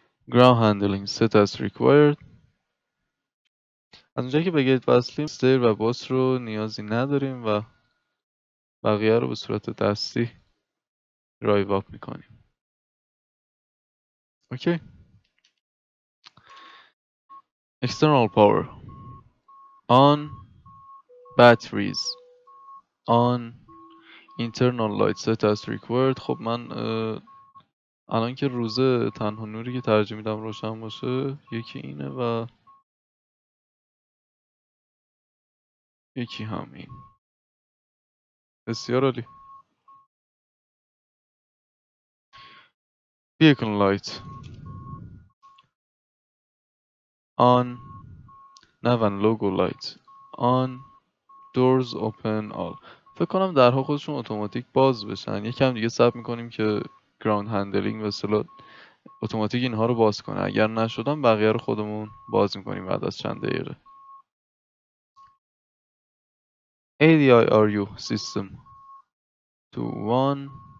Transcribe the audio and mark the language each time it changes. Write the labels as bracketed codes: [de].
[en] ground handling set as required. [fa] از اونجایی که به گیت وصلیم استیر و باس رو نیازی نداریم و بقیه رو به صورت دستی درایو اپ میکنیم. [en] Okay, external power on batteries on internal lights set as required. [fa] خب من الان که روزه تنها نوری که ترجیح میدم روشن باشه یکی اینه و یکی هم این. بسیار عالی. [en] vehicle light on navan logo light on doors open all. [fa] فکر کنم درها خودشون اتوماتیک باز بشن. یکم دیگه صبر میکنیم که ground handling و slot اتوماتیک اینها رو باز کنه. اگر نشدن بقیه رو خودمون باز میکنیم بعد از چند دقیقه. [en] ADIRU system to one.